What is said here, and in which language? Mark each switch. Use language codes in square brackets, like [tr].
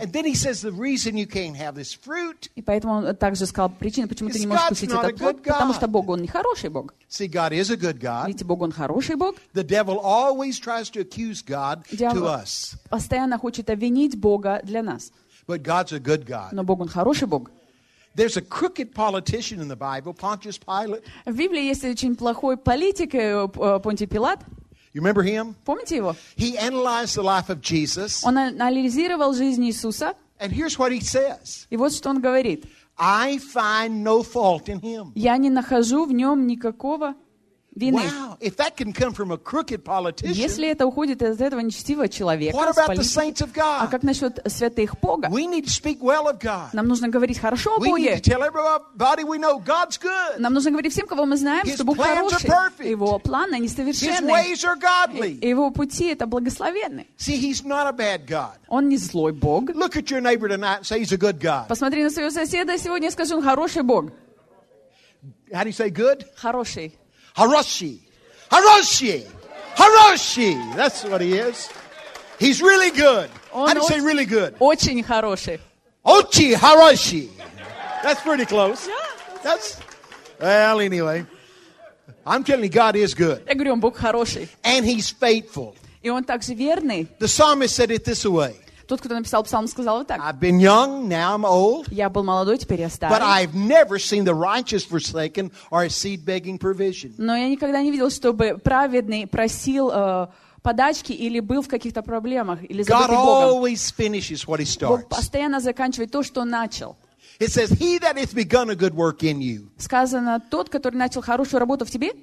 [en] And then he says, "The reason you can't have this fruit." [ru] И поэтому он также сказал причину, почему ты не можешь кушать этот плод, потому что Бог он не хороший Бог. [en] See, God is a good God. [ru] Видите, Бог он хороший Бог. [en] The devil always tries to accuse God [ru] Дьявол [en] to us. [ru] Постоянно хочет обвинить Бога для нас. [en] But God's a good God. [ru] Но Бог он хороший Бог. [en] There's a crooked politician in the Bible, Pontius Pilate. [ru] В Библии есть очень плохой политик Понтий Пилат. [en] You remember him? [ru] Помните его? [en] He analyzed the life of Jesus. [ru] Он анализировал жизнь Иисуса. [en] And here's what he says. [ru] И вот что он говорит. [en] I find no fault in him. [ru] Я не нахожу в нем никакого вины. [en] Wow, if that can come from a crooked politician. [ru] Если это уходит из этого нечестивого человека, [en] What about the saints of God? [ru] А как насчет святых Бога? [en] We need to speak well of God. [ru] Нам нужно говорить хорошо о Боге. [en] We need to tell everybody we know God's good. [ru] Нам нужно говорить всем, кого мы знаем, [en] His [ru] что Бог [en] plans [ru] хороший. [en] Are perfect. [ru] Его планы несовершенны. [en] His ways are godly. [ru] Его пути это благословенны. [en] See, he's not a bad God. [ru] Он не злой Бог. [en] Look at your neighbor tonight and say he's a good God. [ru] Посмотри на своего соседа сегодня и скажи, он хороший Бог. [en] How do you say good? [ru] Хороший. Хороший. Хороший. Хороший. [en] That's what he is. He's really good. [ru] Он [en] How do you say really good? [ru] Очень хороший. Очень хороший. [en] That's pretty close. Yeah, that's well, anyway. I'm telling you, God is good. [ru] Я говорю, он Бог хороший. [en] And he's faithful. [ru] И он также верный. [en] The psalmist said it this way. [ru] Тот, кто написал псалм, сказал вот так. [en] I've been young, now I'm old. [ru] Я был молодой, теперь я старый. [en] But I've never seen the righteous forsaken or a seed begging provision. [ru] Но я никогда не видел, чтобы праведный просил подачки или был в каких-то проблемах, или забытый Богом. Бог постоянно заканчивает то, что начал. [en] It says, he that hath begun a good work in you. [ru] Сказано, тот, который начал хорошую работу в тебе,